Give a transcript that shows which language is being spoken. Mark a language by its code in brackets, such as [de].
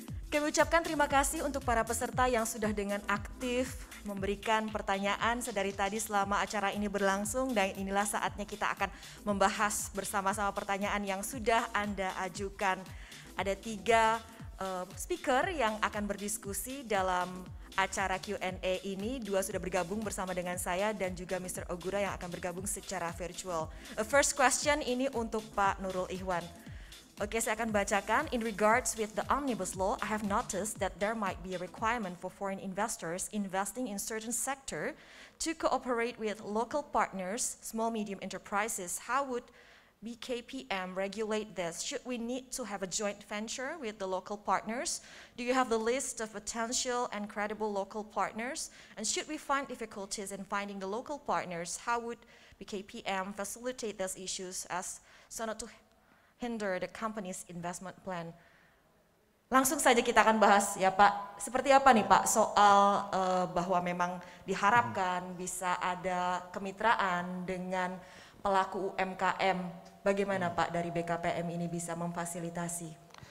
[id] Kami ucapkan terima kasih untuk para peserta yang sudah dengan aktif memberikan pertanyaan sedari tadi selama acara ini berlangsung, dan inilah saatnya kita akan membahas bersama-sama pertanyaan yang sudah Anda ajukan. Ada tiga speaker yang akan berdiskusi dalam acara Q&A ini, dua sudah bergabung bersama dengan saya dan juga Mr. Ogura yang akan bergabung secara virtual. [en] A first question [id] ini untuk Pak Nurul Ikhwan. Okay, saya akan bacakan. [en] In regards with the omnibus law, I have noticed that there might be a requirement for foreign investors investing in certain sector to cooperate with local partners, small medium enterprises. How would BKPM regulate this? Should we need to have a joint venture with the local partners? Do you have the list of potential and credible local partners? And should we find difficulties in finding the local partners? How would BKPM facilitate those issues as so not to hinder the company's investment plan? [id] Langsung saja kita akan bahas ya Pak, seperti apa nih Pak soal bahwa memang diharapkan bisa ada kemitraan dengan pelaku UMKM, bagaimana Pak dari BKPM ini bisa memfasilitasi?